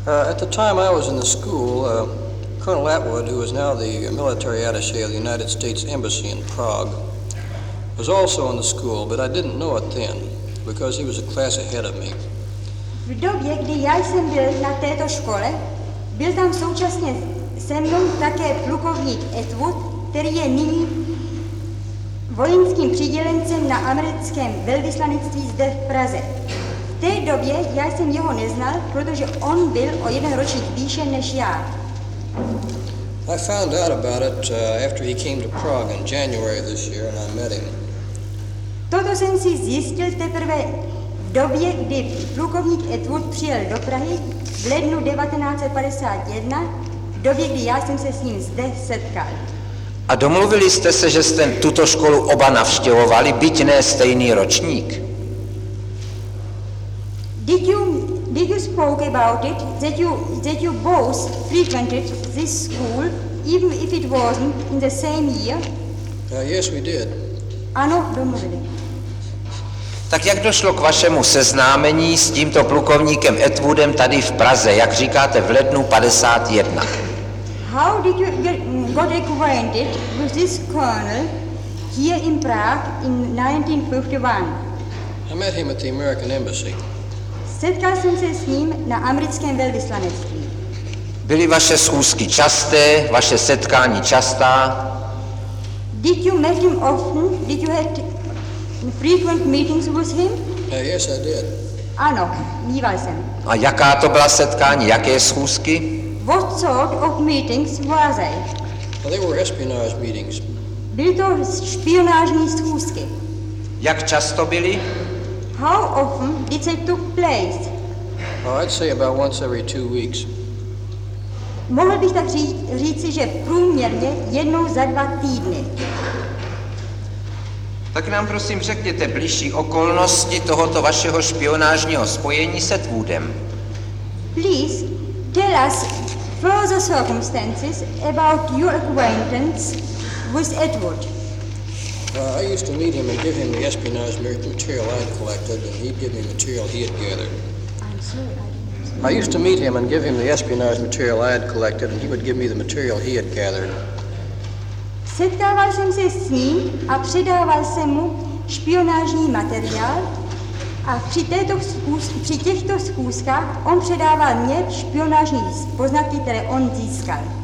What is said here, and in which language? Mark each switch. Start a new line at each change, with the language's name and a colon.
English: At the time I was in the school, Colonel Atwood, who is now the military attaché of the United States Embassy in Prague, was also in the school, but I didn't know it then, because he was a class ahead of me.
Czech: V době, kdy já jsem byl na této škole, byl tam současně se mnou také plukovník Atwood, který je nyní vojenským přidělencem na americkém velvyslanectví zde v Praze. V té době já jsem jeho neznal, protože on byl o jeden ročník výše než já.
English: I found out about it after he came to Prague in January this year and I met him.
Czech: Toto jsem si zjistil teprve v době, kdy plukovník Edward přijel do Prahy v lednu 1951, v době, kdy já jsem se s ním zde setkal. A domluvili jste se, že jste tuto školu oba navštěvovali, byť ne stejný ročník?
English: Did you spoke about it, that you both frequented this school, even if it wasn't in the same year? Yes, we did.
Czech: Ano, domluvili. Tak jak došlo k vašemu seznámení s tímto plukovníkem Atwoodem tady v Praze, jak říkáte, v lednu 51?
English: How did you got acquainted with this colonel here in Prague in 1951? I met him at the American Embassy.
Czech: Setkal jsem se s ním na americkém velvyslanectví. Byly vaše schůzky časté, vaše setkání častá?
English: Did you meet him often? Did you have frequent meetings with him? Yes, I did.
Czech: Ano, mýval jsem. A jaká to byla setkání, jaké schůzky?
English: What sort of meetings were they? They were espionage meetings.
Czech: Byly to špionážní schůzky. Jak často byly?
English: How often did they took place? Oh, I'd say about once every 2 weeks.
Czech: Mohl bych tak říci, že průměrně jednou za dva týdny. Tak nám prosím řekněte bližší okolnosti tohoto vašeho špionážního spojení se Atwoodem.
English: Please tell us further circumstances about your acquaintance with Edward. I used to meet him and give him the espionage material I had collected, and he'd give me material he had gathered. I used to meet him and give him the espionage material I had collected, and he would give me the material he had gathered.
Czech: Setkával jsem se s ním a předával jsem mu špionážní materiál a při těchto schůzkách on předával mě špionážní poznatky, které on získal.